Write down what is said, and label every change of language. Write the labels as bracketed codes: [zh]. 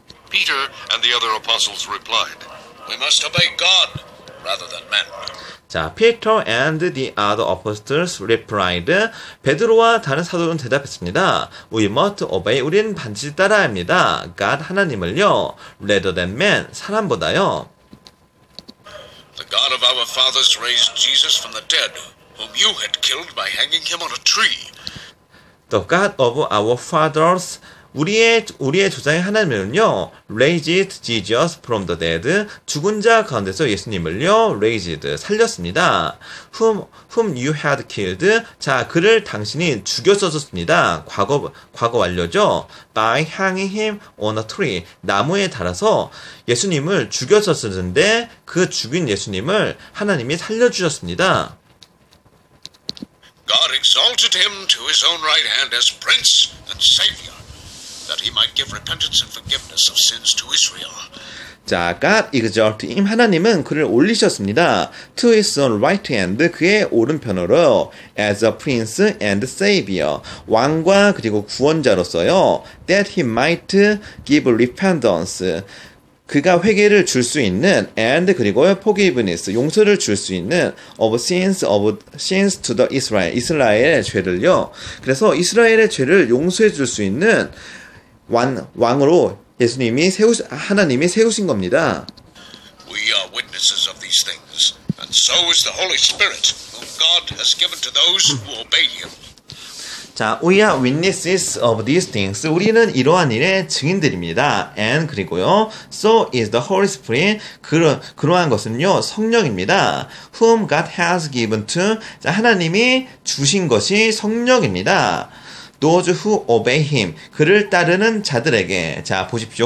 [en] Peter and the other apostles replied, We must obey God rather than men. 자, Peter and the other apostles replied. [ko] 베드로와 다른 사도는 대답했습니다. [en] We must obey. [ko] 우리는 반드시 따라야 합니다. [en] God, [ko] 하나님을요. [en] Rather than man, [ko] 사람보다요. [en] The God of our fathers raised Jesus from the dead, whom you had killed by hanging him on a tree. The God of our fathers, [ko] 우리의 조상의 하나님은요, [en] raised Jesus from the dead, [ko] 죽은 자 가운데서 예수님을요, [en] raised, [ko] 살렸습니다. [en] whom you had killed, [ko] 자, 그를 당신이 죽였었습니다. 과거 완료죠. [en] by hanging him on a tree, [ko] 나무에 달아서 예수님을 죽였었는데, 그 죽인 예수님을 하나님이 살려주셨습니다. [en] God exalted him to his own right hand as prince and savior. That he might give repentance and forgiveness of sins to Israel. 자, God exalted him. [ko] 하나님은 그를 올리셨습니다. [en] To his own right hand, [ko] 그의 오른편으로 [en] as a prince and savior. [ko] 왕과 그리고 구원자로서요. [en] That he might give repentance. [ko] 그가 회개를 줄 수 있는 [en] and [ko] 그리고 [en] forgiveness, [ko] 용서를 줄 수 있는 [en] of sins to the Israel. [ko] 이스라엘의 죄를요. 그래서 이스라엘의 죄를 용서해 줄 수 있는 왕으로 하나님이 세우신 겁니다. [en] We are witnesses of these things, and so is the Holy Spirit, whom God has given to those who obey Him. 자, we are witnesses of these things. [ko] 우리는 이러한 일의 증인들입니다. [en] And [ko] 그리고요, [en] so is the Holy Spirit. [ko] 그러한 것은요, 성령입니다. [en] Whom God has given to. [ko] 자, 하나님이 주신 것이 성령입니다. [en] Those who obey him. [ko] 그를 따르는 자들에게. 자, 보십시오.